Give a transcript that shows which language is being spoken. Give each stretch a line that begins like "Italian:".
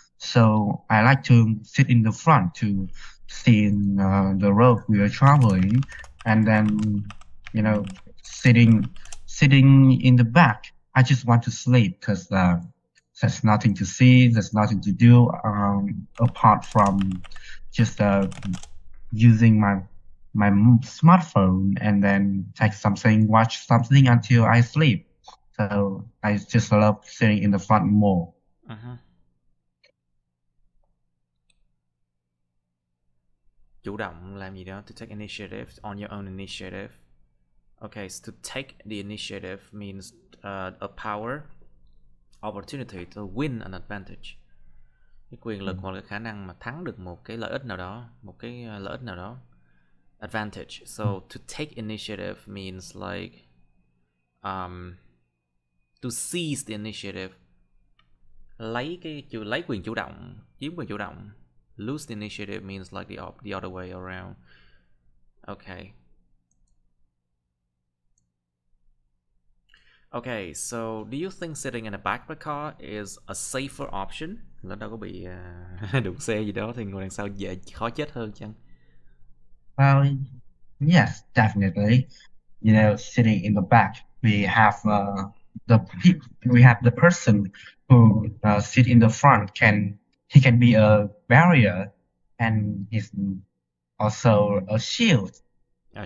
English: So I like to sit in the front to see the road we are traveling, and then sitting in the back, I just want to sleep because there's nothing to see, there's nothing to do apart from just using my smartphone, and then take something, watch something until I sleep. So I just love sitting in the front more.
Vietnamese: Chủ động làm gì đó,
English: to take initiative, on your own initiative. Okay, so to take the initiative means a power, opportunity to win an advantage.
Vietnamese: Cái quyền lực hoặc là khả năng mà thắng được một cái lợi ích nào đó, một cái lợi ích nào đó.
English: Advantage. So to take initiative means like to seize the initiative.
Vietnamese: Lấy quyền chủ động, chiếm quyền chủ động.
English: Lose the initiative means like the other way around. Okay. Okay, so do you think sitting in the back of the car is a safer option?
Vietnamese: Nó đâu có bị đụng xe gì đó thì ngồi đằng sau dễ khó chết hơn chăng?
English: Well, yes, definitely. Sitting in the back, we have the person who sit in the front, can he can be a barrier, and he's also a shield A